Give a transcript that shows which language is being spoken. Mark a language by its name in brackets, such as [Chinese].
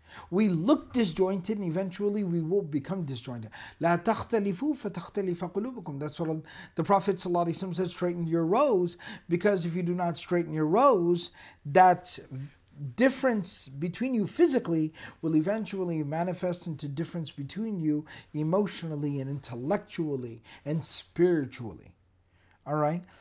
[English] We look disjointed, and eventually we will become disjointed. [Arabic] لا تختلفوا فتختلف قلوبكم. [English] That's what the Prophet ﷺ says, straighten your rows, because if you do not straighten your rows, that difference between you physically will eventually manifest into difference between you emotionally and intellectually and spiritually. All right?